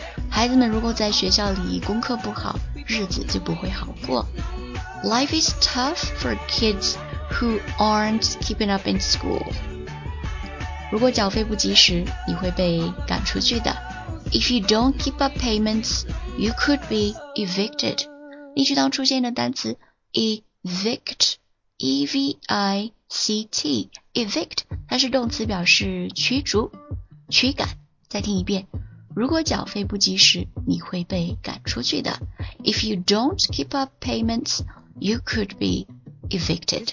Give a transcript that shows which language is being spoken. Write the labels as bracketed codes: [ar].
[zh] 孩子们如果在学校里功课不好，日子就不会好过。 [en] Life is tough for kids who aren't keeping up in school. [zh] 如果缴费不及时，你会被赶出去的。 [en] If you don't keep up payments, you could be evicted. [zh] 例句当出现的单词 evict, E-V-I-C-T, evict, 它是动词表示驱逐、驱赶。再听一遍。如果缴费不及时，你会被赶出去的。 [en] If you don't keep up payments, you could be evicted.